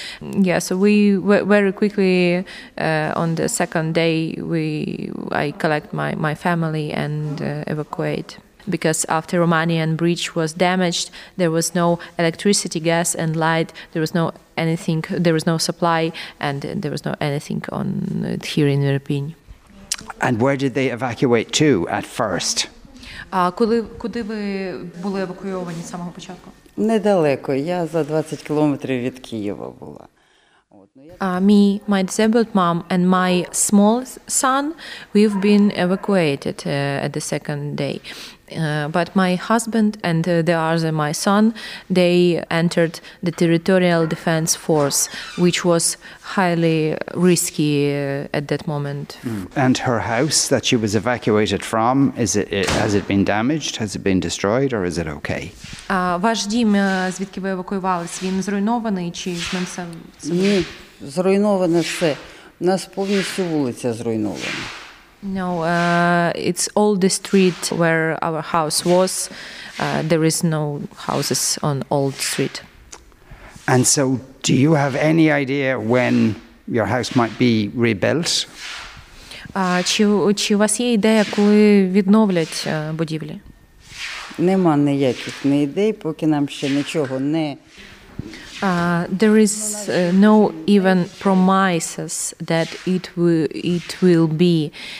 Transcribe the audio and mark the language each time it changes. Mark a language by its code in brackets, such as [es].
[en] Yeah, so we very quickly, on the second day, I collect my family and evacuate. Because after Romanian bridge was damaged, there was no electricity, gas and light. There was no anything, there was no supply, and there was no anything on here in Irpin. And where did they evacuate to at first? [uk] Куди ви були евакуйовані з самого початку? Недалеко, я за 20 кілометрів від Києва була. [en] Me, my disabled mom and my small son, we've been evacuated at the second day. But my husband and the other, my son, they entered the territorial defense force, which was highly risky at that moment. And her house that she was evacuated from, has it been damaged? Has it been destroyed, or is it okay? [uk] Ваш дім, звідки ви евакуювались, він зруйнований чи змінився? Ні, зруйноване все. У нас повністю вулиця зруйнована. [en] No, it's all the street where our house was. There is no houses on old street. And so do you have any idea when your house might be rebuilt? [uk] Чи у вас є ідея, коли відновлять будівлі? Нема ніяких ні ідей, поки нам ще нічого не... [en] There is no even promises that it will be.